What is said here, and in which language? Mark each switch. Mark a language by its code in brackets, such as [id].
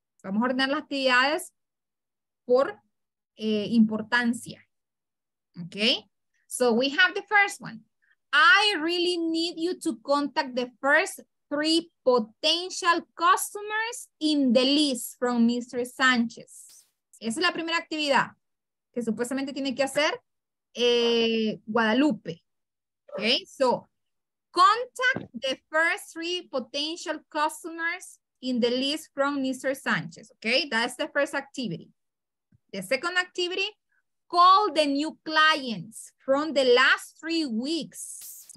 [es] Vamos a ordenar las actividades por importancia, okay? [en] So we have the first one. I really need you to contact the first three potential customers in the list from Mr. Sanchez. [es] Esa es la primera actividad que supuestamente tiene que hacer Guadalupe. [en] Okay, so contact the first three potential customers in the list from Mr. Sanchez. Okay, that's the first activity. The second activity, call the new clients from the last 3 weeks.